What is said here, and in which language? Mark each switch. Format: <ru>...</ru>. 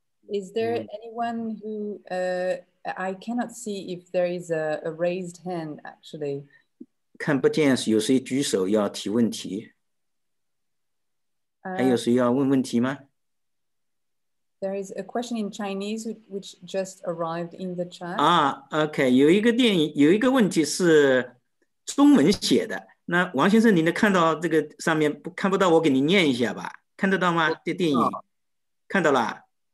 <en>Is there anyone who I cannot see if there is a raised hand actually.</en> <zh>看不见有谁举手要提问题? 还有谁要问问题吗?</zh> <en>There is a question in Chinese which just arrived in the chat.</en> <zh>Okay, 有一个问题是中文写的。那王先生您能看到这个上面，看不到我给您念一下吧？看得到吗？这电影，看到了。</zh>